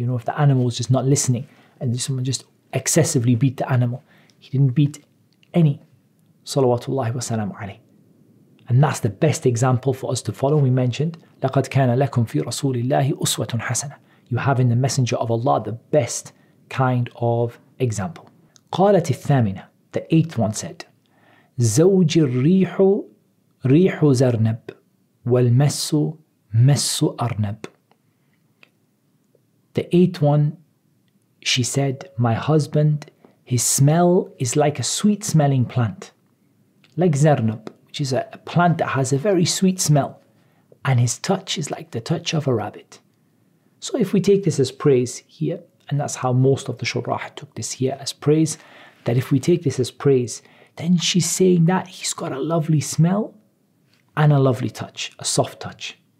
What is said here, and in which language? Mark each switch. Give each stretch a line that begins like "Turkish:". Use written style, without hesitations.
English: You know, if the animal was just not listening and someone just excessively beat the animal. He didn't beat any. Salawatullahi wa salamu alayhi. And that's the best example for us to follow.
Arabic: We mentioned, لَقَدْ كَانَ لَكُمْ فِي رَسُولِ اللَّهِ أُسْوَةٌ حَسَنَةٌ.
English: You have in the Messenger of Allah the best kind of example.
Arabic: قالت الثامنة,
English: the eighth one said,
Arabic: زوج الريح ريح زرنب والمس مس أرنب.
English: The eighth one, she said, my husband, his smell is like a sweet smelling plant, like zarnab, which is a plant that has a very sweet smell, and his touch is like the touch of a rabbit. So if we take this as praise here, and that's how most of the shurah took this here as praise, that if we take this as praise, then she's saying that he's got a lovely smell and a lovely touch, a soft touch.